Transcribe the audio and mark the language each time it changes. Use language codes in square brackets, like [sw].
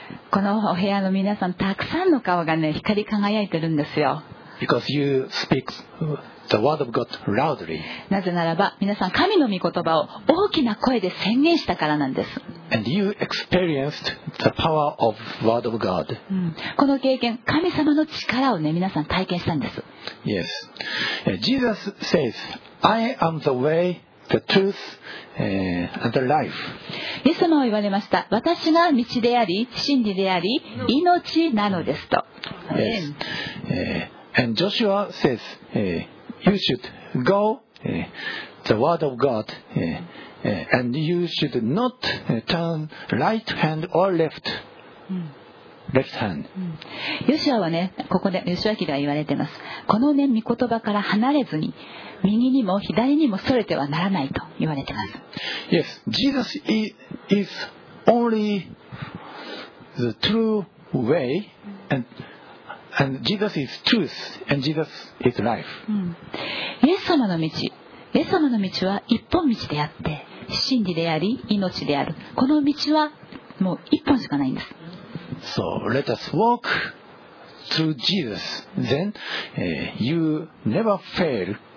[ja] このお部屋の皆さんたくさんの顔がね、光り輝いてるんですよ。 [en] Because you speak the word of God loudly. [ja] なぜならば皆さん神の御言葉を大きな声で宣言したからなんです。 [en] And you experienced the power of word of God. [ja] この経験、神様の力を、ね、皆さん体験したんです。 [en] Yes. Jesus says, I am the way, the truth, and the life. [ja] イエス様は言われました。私が道であり真理であり命なのですと。 [en] Yes. And Joshua says, you should go the word of God, and you should not turn right hand or left. [ja] ヨシュアはね、ここでヨシュア記では言われています。このね、御言葉から離れずに右にも左にもそれてはならないと言われています。 [en] Yes, Jesus is only the true way and Jesus is truth and Jesus is life. [ja] イエス様の道、イエス様の道は一本道であって真理であり命である。この道はもう一本しかないんです。 [en] So let us walk through Jesus. Then you never fail.